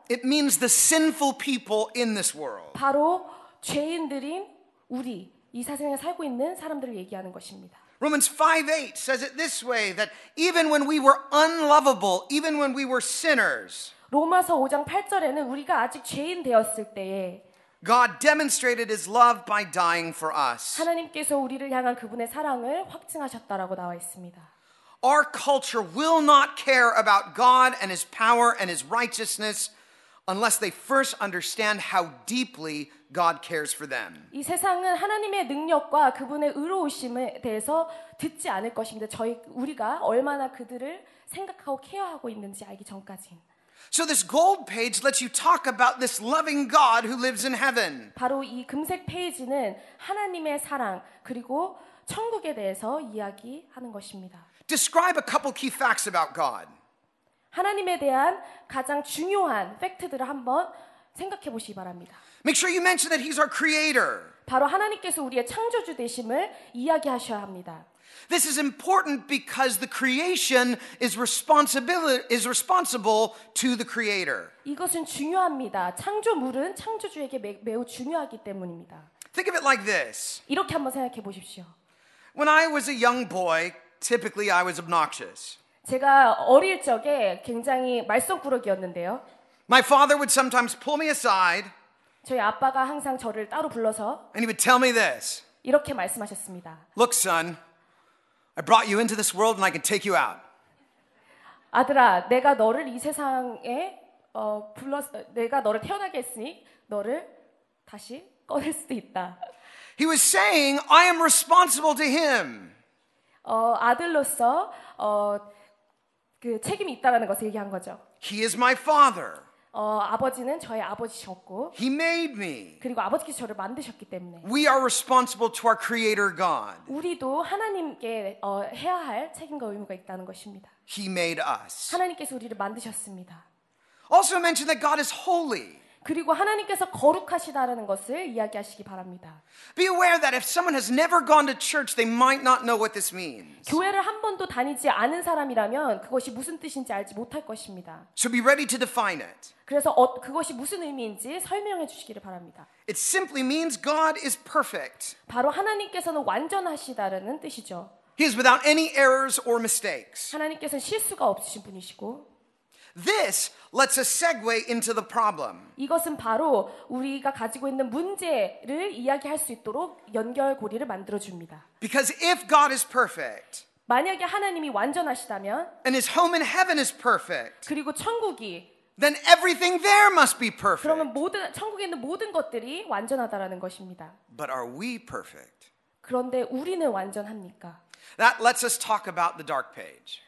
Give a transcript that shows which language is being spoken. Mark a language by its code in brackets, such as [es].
[en] It means the sinful people in this world. [ko] 바로 죄인들인 우리 이 세상에 살고 있는 사람들을 얘기하는 것입니다. [en] Romans 5:8 says it this way that even when we were unlovable, even when we were sinners. [ko] 로마서 5장 8절에는 우리가 아직 죄인 되었을 때에 [en] God demonstrated his love by dying for us. [ko] 하나님께서 우리를 향한 그분의 사랑을 확증하셨다라고 나와 있습니다. [en] Our culture will not care about God and his power and his righteousness unless they first understand how deeply God cares for them. [ko] 이 세상은 하나님의 능력과 그분의 의로우심에 대해서 듣지 않을 것입니다. 우리가 얼마나 그들을 생각하고 케어하고 있는지 알기 전까지. [en] So this gold page lets you talk about this loving God who lives in heaven. [ko] 바로 이 금색 페이지는 하나님의 사랑 그리고 천국에 대해서 이야기하는 것입니다. [en] Describe a couple key facts about God. [ko] 하나님에 대한 가장 중요한 팩트들을 한번 생각해 보시기 바랍니다. [en] Make sure you mention that he's our creator. [ko] 바로 하나님께서 우리의 창조주 되심을 이야기하셔야 합니다. [en] This is important because the creation is responsible to the creator. [ko] 이것은 중요합니다. 창조물은 창조주에게 매우 중요하기 때문입니다. [en] Think of it like this. [ko] 이렇게 한번 생각해 보십시오. [en] When I was a young boy, typically I was obnoxious. [ko] 제가 어릴 적에 굉장히 말썽꾸러기였는데요. [en] My father would sometimes pull me aside. [ko] 저희 아빠가 항상 저를 따로 불러서 [en] And he would tell me this. [ko] 이렇게 말씀하셨습니다. [en] Look, son. I brought you into this world and I can take you out. [ko] 아들아, 내가 너를 이 세상에 내가 너를 태어나게 했으니 너를 다시 꺼낼 수도 있다. [en] He was saying, I am responsible to him. [ko] 아들로서 그 책임이 있다라는 것을 얘기한 거죠. [en] He is my father. [ko] 아버지는 저의 아버지셨고 [en] He made me. [ko] 그리고 아버지께서 저를 만드셨기 때문에 [en] We are responsible to our creator God. [ko] 우리도 하나님께 해야 할 책임과 의무가 있다는 것입니다. [en] He made us. [ko] 하나님께서 우리를 만드셨습니다. [en] Also mentioned that God is holy. [ko] 그리고 하나님께서 거룩하시다라는 것을 이야기하시기 바랍니다. [en] Be aware that if someone has never gone to church, they might not know what this means. [ko] 교회를 한 번도 다니지 않은 사람이라면 그것이 무슨 뜻인지 알지 못할 것입니다. [en] So be ready to define it. [ko] 그래서 그것이 무슨 의미인지 설명해 주시기를 바랍니다. [en] It simply means God is perfect. [ko] 바로 하나님께서는 완전하시다라는 뜻이죠. [en] He is without any errors or mistakes. [ko] 하나님께서는 실수가 없으신 분이시고 [en] This lets us segue into the problem. [ko] 이것은 바로 우리가 가지고 있는 문제를 이야기할 수 있도록 연결 고리를 만들어 줍니다. [en] Because if God is perfect, [ko] 만약에 하나님이 완전하시다면, [en] and His home in heaven is perfect, [ko] 그리고 천국이, [en] then everything there must be perfect. [ko] 그러면 모든 천국에 있는 모든 것들이 완전하다라는 것입니다. [en] But are we perfect? [ko] 그런데 우리는 완전합니까? [en] That lets us talk about the dark page.